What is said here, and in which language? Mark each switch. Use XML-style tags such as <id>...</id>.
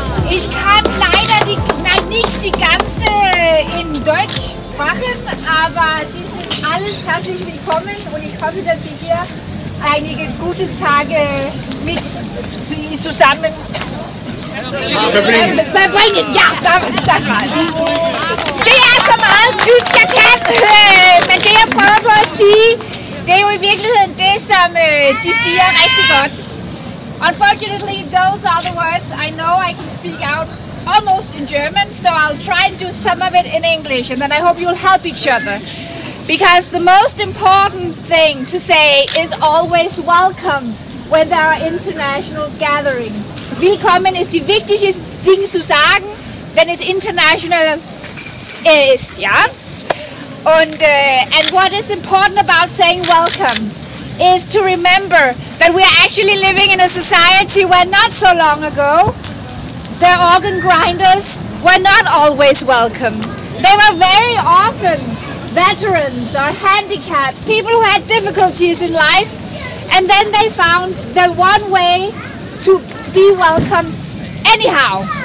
<de>Ich kann leider nicht die ganze in Deutsch machen, aber Sie sind alle herzlich willkommen und ich hoffe, dass Sie hier einige gute Tage mit zusammen verbringen. Ja, das war's.</de> <en>Just get that.</en> <da>Men det, jeg prøver på at sige, det er jo i virkeligheden det, som de siger rigtig godt.</da> <en>Unfortunately, those are the words. I know I can speak out almost in German, so I'll try and do some of it in English, and then I hope you'll help each other. Because the most important thing to say is always welcome when there are international gatherings.</en> <de>Willkommen ist die wichtigste Ding zu sagen, wenn es international ist, ja?</de> <en>And what is important about saying welcome is to remember that we are actually living in a society where not so long ago the organ grinders were not always welcome. They were very often veterans or handicapped, people who had difficulties in life, and then they found the one way to be welcome anyhow.</en>